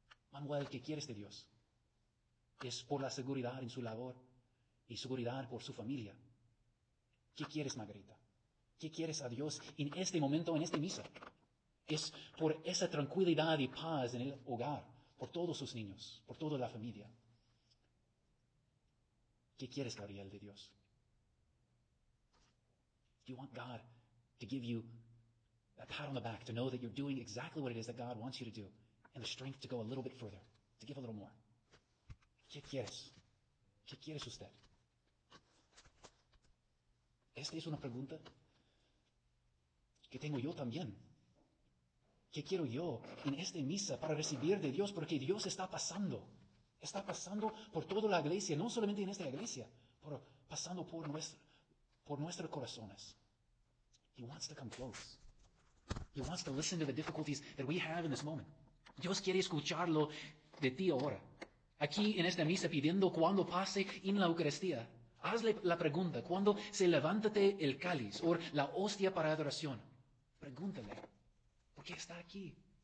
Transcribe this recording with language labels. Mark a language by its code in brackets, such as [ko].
[es] Manuel, ¿qué quieres de Dios? ¿Es por la seguridad en su labor y seguridad por su familia? ¿Qué quieres, Margarita? ¿Qué quieres a Dios en este momento, en esta misa? ¿Es por esa tranquilidad y paz en el hogar, por todos sus niños, por toda la familia? ¿Qué quieres, Gabriel, de Dios? [en] Do you want God to give you a pat on the back to know that you're doing exactly what it is that God wants you to do and the strength to go a little bit further, to give a little more? [es] ¿Qué quieres? ¿Qué quieres usted? Esta es una pregunta que tengo yo también. ¿Qué quiero yo en esta misa para recibir de Dios? Porque Dios está pasando. Está pasando por toda la iglesia, no solamente en esta iglesia, pero pasando por nuestros corazones. [en] He wants to come close. He wants to listen to the difficulties that we have in this moment. [es] Dios quiere escucharlo de ti ahora. Aquí en esta misa, pidiendo cuando pase en la Eucaristía, hazle la pregunta, cuando se levántate el cáliz o la hostia para adoración, pregúntale, ¿por qué está aquí?